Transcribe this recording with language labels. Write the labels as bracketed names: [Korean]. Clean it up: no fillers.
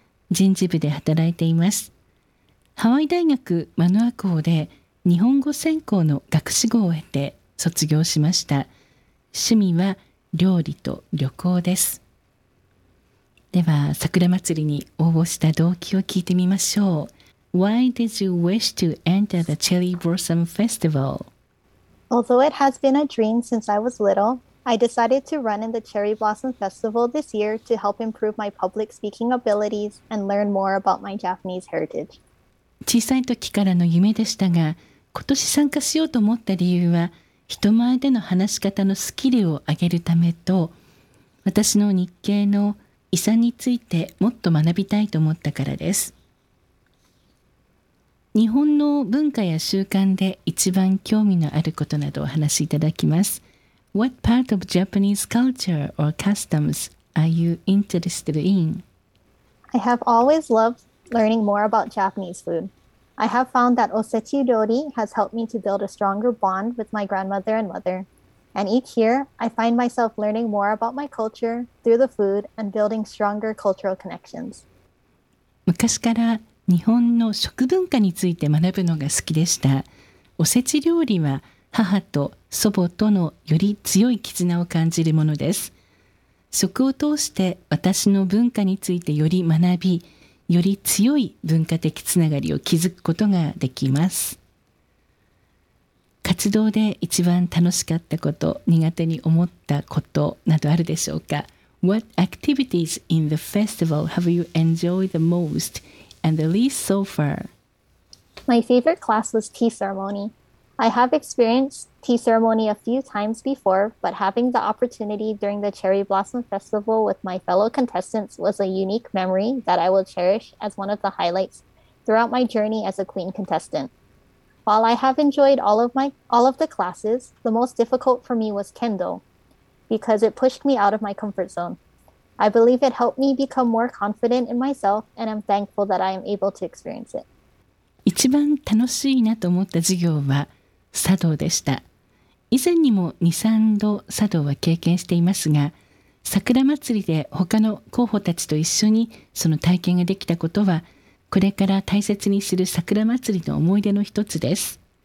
[Japanese] 人事部で働いています。ハワイ大学マノア校で日本語専攻の学士号を得て卒業しました。趣味は料理と旅行です。では、桜祭りに応募した動機を聞いてみましょう。 [English] Why did you wish to enter the Cherry Blossom Festival? Although it has been a dream since I was little, I decided to run in the Cherry Blossom Festival this year to help improve my public speaking abilities and learn more about my Japanese heritage. [Japanese] 小さい時からの夢でしたが、今年参加しようと思った理由は、人前での話し方のスキルを上げるためと、私の日系の遺産についてもっと学びたいと思ったからです。日本の文化や習慣で一番興味のあることなどをお話しいただきます。 [English] What part of Japanese culture or customs are you interested in? I have always lovedLearning more about Japanese food. I have found that osechi ryori has helped me to build a stronger bond with my grandmother and mother. And each year, I find myself learning more about my culture through the food and building stronger cultural connections. [Japanese] 昔から日本の食文化について学ぶのが好きでした。おせち料理は母と祖母とのより強い絆を感じるものです。食を通して私の文化についてより学び、より強い文化的つながりを築くことができます。活動で一番楽しかったこと、苦手に思ったことなどあるでしょうか? [English] What activities in the festival have you enjoyed the most and the least so far? My favorite class was tea ceremony. I have experienced tea ceremony a few times before, but having the opportunity during the Cherry Blossom Festival with my fellow contestants was a unique memory that I will cherish as one of the highlights throughout my journey as a queen contestant. While I have enjoyed all of the classes, the most difficult for me was kendo, because it pushed me out of my comfort zone. I believe it helped me become more confident in myself, and I'm thankful that I am able to experience it. [Japanese] 一番楽しいなと思った授業は、茶道でした。以前にも 2,3 度茶道は経験していますが、桜祭りで他の候補たちと一緒にその体験ができたことは、これから大切にする桜祭りの思い出の一つです。